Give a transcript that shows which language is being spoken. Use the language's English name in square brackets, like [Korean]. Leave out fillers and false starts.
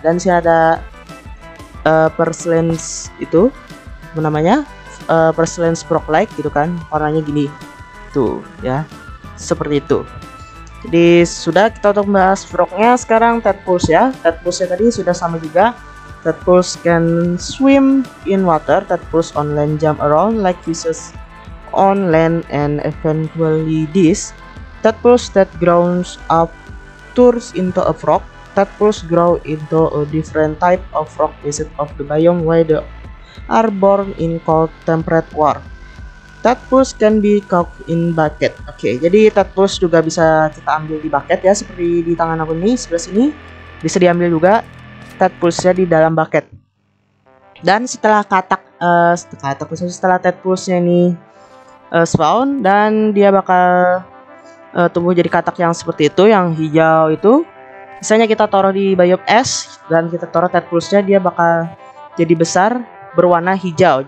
[Indonesian] Dan si ada Perslens itu namanya Perslens Froglike gitu kan. Warnanya gini. Tuh ya. Seperti itu. Jadi sudah kita untuk membahas frognya, sekarang tadpoles ya. Tadpolesnya tadi sudah sama juga. [English] Tadpoles can swim in water. Tadpoles on land jump around like fishes on land and eventually this. Tadpoles that grows up turns into a frog. Tadpoles grow into a different type of frog based of the biome where they are born in cold temperate water. Tadpoles can be caught in bucket. [Indonesian] Oke, jadi tadpoles juga bisa kita ambil di bucket ya, seperti di tangan aku ini sebelah sini bisa diambil juga tadpolesnya di dalam bucket. Dan setelah setelah tadpolesnya ini spawn dan dia bakal tumbuh jadi katak yang seperti itu, yang hijau itu, misalnya kita taruh di biome es dan kita taruh tadpolesnya, dia bakal jadi besar berwarna hijau.